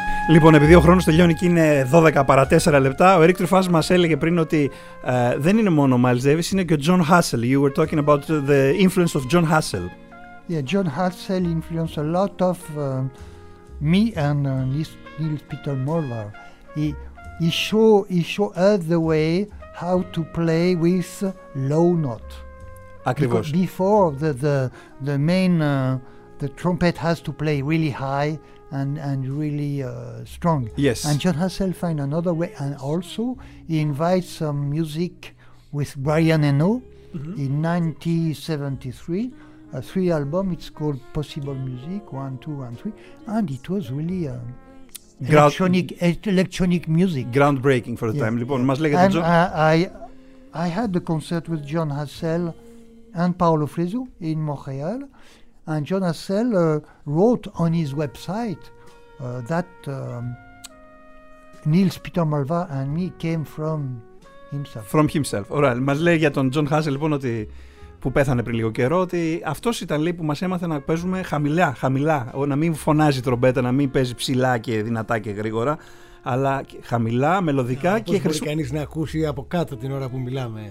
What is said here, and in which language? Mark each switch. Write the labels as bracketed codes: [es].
[el] Λοιπόν, επειδή ο χρόνος τελειώνει και είναι 12 παρά 4 λεπτά, ο Eric Truffaz μας έλεγε πριν ότι δεν είναι μόνο ο Miles Davis, είναι και ο John Hassell. [en] You were talking about the influence of John Hassell. Yeah, John Hassell influenced a lot of me and Niels Peter Møller. He showed us the way how to play with low note. [el] Ακριβώς. [en] Before the main the trumpet has to play really high and really strong. Yes. And John Hassell find another way, and also he invites some music with Brian Eno mm-hmm. in 1973. Three album, it's called Possible Music 1, 2, and 3, and it was really electronic music, groundbreaking for the yeah. time. [el] Λοιπόν, μας λέγεται [en] John. I had the concert with John Hassell and Paolo Frizzo in Montreal, and John Hassell wrote on his website that Niels Peter Møller and me came from himself. From himself. [el] Ωραία. Μας λέει για τον John Hassell λοιπόν ότι που πέθανε πριν λίγο καιρό, ότι αυτός ήταν λέει που μας έμαθε να παίζουμε χαμηλά, χαμηλά. Να μην φωνάζει η τρομπέτα, να μην παίζει ψηλά και δυνατά και γρήγορα, αλλά χαμηλά, μελωδικά και χρησιμοποιημένα. Μπορεί κανείς να ακούσει από κάτω την ώρα που μιλάμε